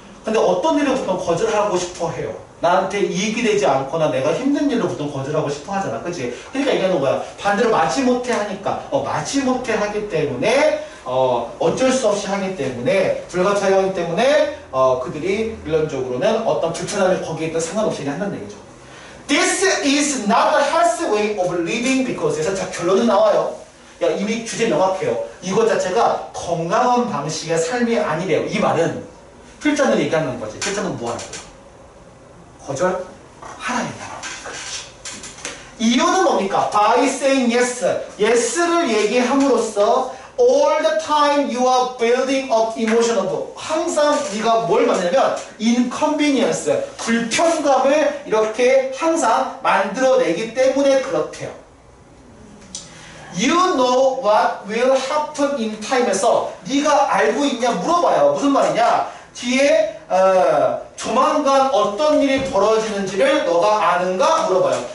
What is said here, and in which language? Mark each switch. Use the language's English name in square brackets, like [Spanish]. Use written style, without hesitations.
[Korean] 근데 어떤 일을 보통 거절하고 싶어 해요? 나한테 이익이 되지 않거나 내가 힘든 일을 보통 거절하고 싶어 하잖아. 그치? 그러니까 얘기하는 거야. 반대로 마지못해 하니까. 마지못해 하기 때문에, 어쩔 수 없이 하기 때문에, 불가차하기 때문에, 그들이 일반적으로는 어떤 불편함이 거기에 있든 상관없이 한다는 얘기죠. [English] This is not a healthy way of living because. [Korean] 에서 자, 결론은 나와요. 야, 이미 주제 명확해요. 이거 자체가 건강한 방식의 삶이 아니래요. 이 말은 필자는 얘기하는 거지. 필자는 뭐 하라고요? 거절하라는 말이에요. 그렇지. 이유는 뭡니까? [English] By saying yes. [Korean] Yes를 얘기함으로써 [English] all the time you are building up emotional. [Korean] 항상 네가 뭘 만드냐면 inconvenience. 불편감을 이렇게 항상 만들어내기 때문에 그렇대요. [English] You know what will happen in time [Korean] 에서 네가 알고 있냐 물어봐요. 무슨 말이냐? 뒤에 조만간 어떤 일이 벌어지는지를 너가 아는가 물어봐요.